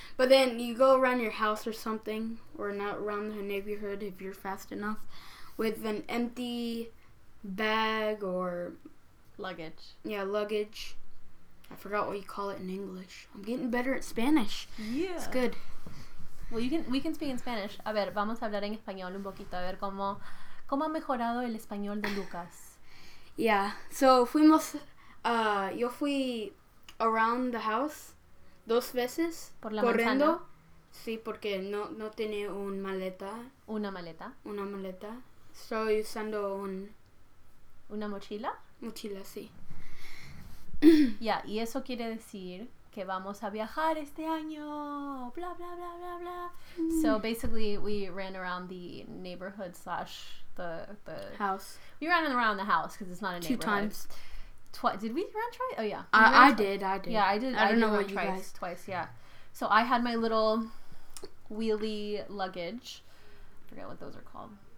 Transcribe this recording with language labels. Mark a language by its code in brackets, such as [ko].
[en] But then you go around your house or something, or not around the neighborhood if you're fast enough, with an empty bag or luggage. Yeah, luggage. I forgot what you call it in English. I'm getting better at Spanish. Yeah. It's good. Well, we can speak in Spanish. [es] A ver, vamos a hablar en español un poquito. A ver cómo ha mejorado el español de Lucas. [en] Yeah. So, [es] fuimos... yo fui [en] around the house [es] dos veces. Por la corriendo. Manzana. Sí, porque no tenía un maleta. Una maleta. Una maleta. Estoy usando un... ¿Una mochila? Mochila, sí. Ya, yeah, y eso quiere decir que vamos a viajar este año. Bla, bla, bla, bla, bla. [en] So, basically, we ran around the neighborhood / the... House. We ran around the house because it's not a neighborhood. Two times. Did we run twice? Oh, yeah. I did. Yeah, I did. I don't know what you guys... Twice, yeah. So, I had my little wheelie luggage. I forget what those are called.